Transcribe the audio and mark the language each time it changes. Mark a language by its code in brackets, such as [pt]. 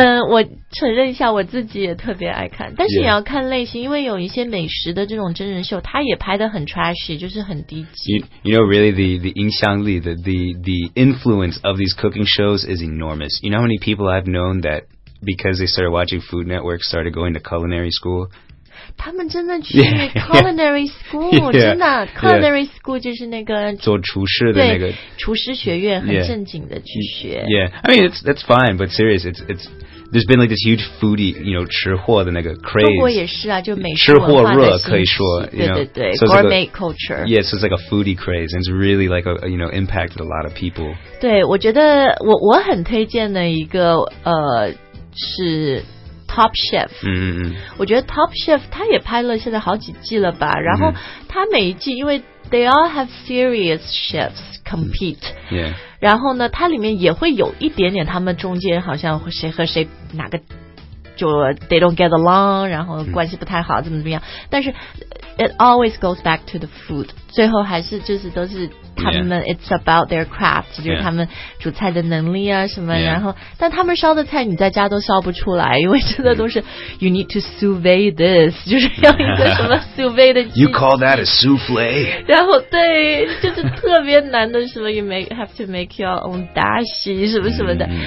[zh] 我承认一下我自己也特别爱看但是也要看类型因为有一些美食的这种真人秀它也拍得很 trashy 就是很低级 [en] you know really the [zh] 影响力 [en] the influence of these cooking shows is enormous you know how many people I've known that because they started watching Food Network started going to culinary school [zh] 他们真的去 culinary school [en] yeah, yeah, [zh] 真的 culinary school 就是那个做厨师的那个厨师学院很正经的去学 [en] yeah I mean it's fine but serious it's there's been like this huge foodie you know [zh] 吃货的那个 [en] craze [zh] 中国也是啊就美食文化的兴起吃货热可以说 you know, [en] 对对对 gourmet、so like、culture yeah so it's like a foodie craze and it's really like a, you know impacted a lot of people [zh] 对我觉得我很推荐的一个是Top Chef、 mm-hmm. 我觉得 Top Chef 他也拍了现在好几季了吧然后他每一季因为 [en] they all have serious chefs compete. Yeah. [zh] 然后呢，它里面也会有一点点他们中间好像谁和谁哪个就 [en] they don't get along， [zh] 然后关系不太好，怎么怎么样。但是 [en] it always goes back to the food， [zh] 最后还是就是都是他们、 [en] yeah. it's about their craft， [zh] 就是他们煮菜的能力啊什么。 [en] Yeah. [zh] 然后但他们烧的菜你在家都烧不出来，因为真的都是 [en] you need to sous vide this， [zh] 就是要一个什么 sous vide 的。 [en] You call that a souffle？ [zh] 然后对，就是特别难的什么 [en] you make have to make your own dashi [zh] 什么什么的。